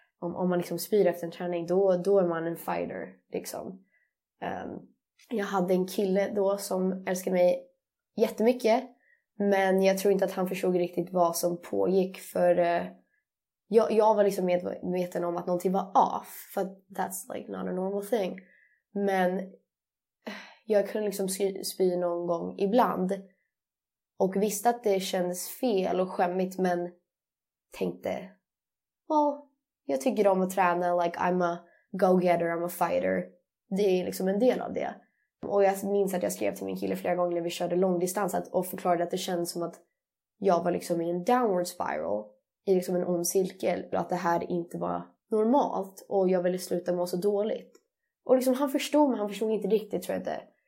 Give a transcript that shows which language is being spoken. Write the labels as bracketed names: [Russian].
[Swedish] Om man liksom spyr efter en träning, då är man en fighter liksom. Jag hade en kille då som älskade mig jättemycket. Men jag tror inte att han förstod riktigt vad som pågick för... Jag var liksom medveten om att någonting var off. För [English] that's like not a normal thing. [Swedish] Men jag kunde liksom spy någon gång ibland. Och visste att det kändes fel och skämmigt. Men tänkte, well, jag tycker om att träna. [English] Like, I'm a go-getter, I'm a fighter. [Swedish] Det är liksom en del av det. Och jag minns att jag skrev till min kille flera gånger när vi körde långdistans. Och förklarade att det kändes som att jag var liksom i en [English] downward spiral. [Swedish] I liksom en ond cirkel. Att det här inte var normalt. Och jag ville sluta må så dåligt. Och liksom han förstod mig. Han förstod inte riktigt, tror jag inte.